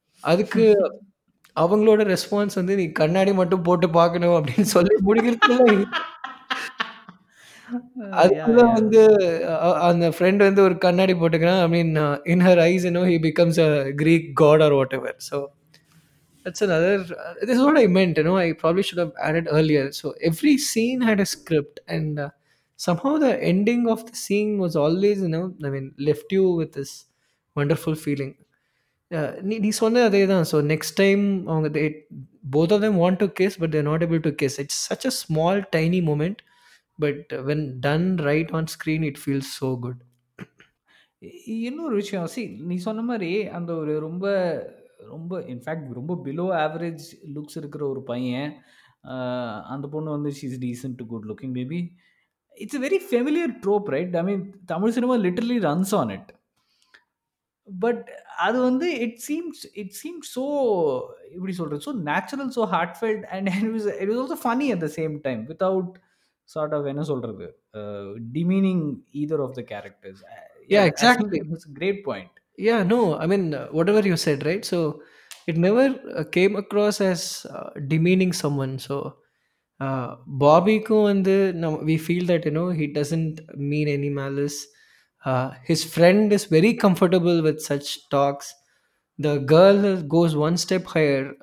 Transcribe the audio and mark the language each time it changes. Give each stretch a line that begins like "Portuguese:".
Tamil: அதுக்கு அவங்களோட ரெஸ்பான்ஸ் வந்து நீ கண்ணாடி மட்டும் போட்டு பார்க்கணும் அப்படின்னு சொல்லி முடிக்கிறதுல அதுதான் வந்து அந்த ஃப்ரெண்ட் வந்து ஒரு கண்ணாடி போட்டுக்கிறான்,
English: I mean in her eyes you know he becomes a Greek god or whatever. So That's another, this is what I meant, you know, I probably should have added earlier. So every scene had a script and somehow the ending of the scene was always, you know, I mean, left you with this wonderful feeling.
Tamil: Nee sonna adheyda,
English: so next time both of them want to kiss but they're not able to kiss. It's such a small tiny moment but when done right on screen it feels so good.
Tamil: இன்னொரு விஷயம், see நீ சொன்ன மாதிரி அந்த ஒரு ரொம்ப ரொம்ப in fact ரொம்ப பிலோ ஆவரேஜ் லுக்ஸ் இருக்கிற ஒரு பையன், அந்த பொண்ணு வந்து
English: She is decent to good looking maybe, it's a very familiar trope, right? I mean Tamil cinema literally runs on it,
Tamil: but அது வந்து
English: it seems so
Tamil: எப்படி சொல்கிறது,
English: so natural, so heartfelt and it is also funny at the same time without sort of
Tamil: என்ன சொல்கிறது
English: Demeaning either of the characters. Yeah exactly, it's a great point. Yeah, no, I mean, whatever you said, right? So, it never came across as demeaning someone. So, Bobby, we feel that, you know, he doesn't mean any malice. His friend is very comfortable with such talks. The girl goes one step higher.